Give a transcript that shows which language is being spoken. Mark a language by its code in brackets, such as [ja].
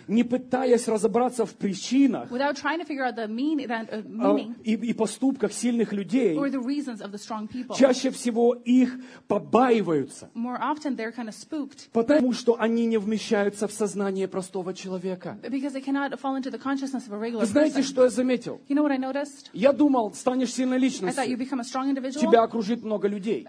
[ru] Не пытаясь разобраться в причинах. [en] Without trying to figure out the meaning. [ru] И поступках сильных людей. [en] Or the reasons of the strong people. [ru] Чаще всего их побаиваются. [en] More often they're kind of spooked. [ru] Потому что они не вмещаются в сознание простого человека. [en] Because they cannot fall into the consciousness of a regular person. [ru] Знаете, что я заметил? [en] You know what I noticed? [ru] Я думал, станешь сильной личностью. [en] I thought you become a strong individual. [ru] Тебя окружит много людей.